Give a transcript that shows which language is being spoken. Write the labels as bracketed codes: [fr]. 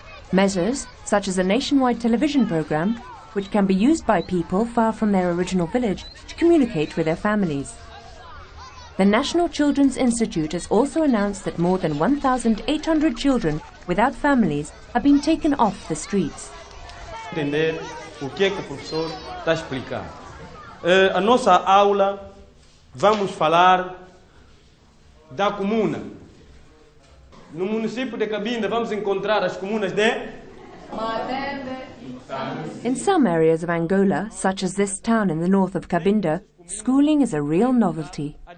[en] Measures such as a nationwide television program, which can be used by people far from their original village to communicate with their families. The National Children's Institute has also announced that more than 1,800 children without families have been taken off the streets. [pt] Entender o que é que o professor está a explicar. A nossa aula, vamos falar da comuna. No município de Cabinda, vamos encontrar as comunas de... [en] In some areas of Angola, such as this town in the north of Cabinda, schooling is a real novelty.